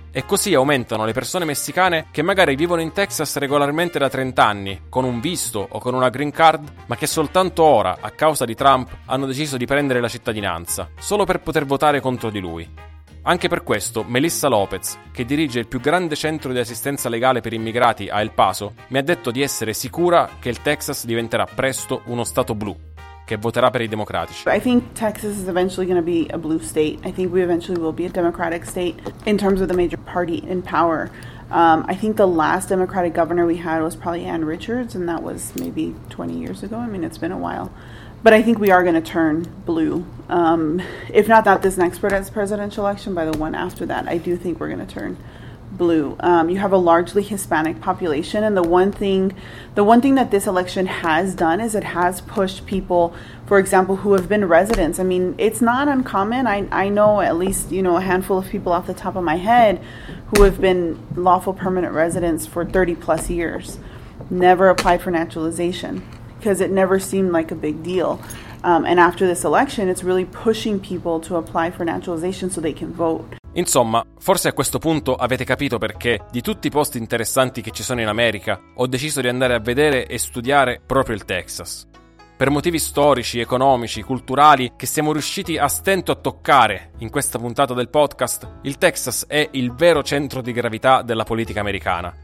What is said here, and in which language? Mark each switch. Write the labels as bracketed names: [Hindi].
[Italian] E così aumentano le persone messicane che magari vivono in Texas regolarmente da 30 anni, con un visto o con una green card, ma che soltanto ora, a causa di Trump, hanno deciso di prendere la cittadinanza, solo per poter votare contro di lui. Anche per questo, Melissa Lopez, che dirige il più grande centro di assistenza legale per immigrati a El Paso, mi ha detto di essere sicura che il Texas diventerà presto uno stato blu, che voterà per i democratici. [English] I think Texas is eventually going to be a blue state. I think we eventually will be a democratic state in terms of the major party in power. I think the last Democratic governor we had was probably Ann Richards, and that was maybe 20 years ago. I mean, it's been a while. But I think we are going to turn blue. If not that this next presidential election, by the one after that, I do think we're going to turn blue. You have a largely Hispanic population, and the one thing that this election has done is it has pushed people, for example, who have been residents. I mean, it's not uncommon. I know at least, you know, a handful of people off the top of my head who have been lawful permanent residents for 30 plus years, never applied for naturalization because it never seemed like a big deal. And after this election, it's really pushing people to apply for naturalization so they can vote. [Italian] Insomma, forse a questo punto avete capito perché, di tutti i posti interessanti che ci sono in America, ho deciso di andare a vedere e studiare proprio il Texas. Per motivi storici, economici, culturali, che siamo riusciti a stento a toccare in questa puntata del podcast, il Texas è il vero centro di gravità della politica americana.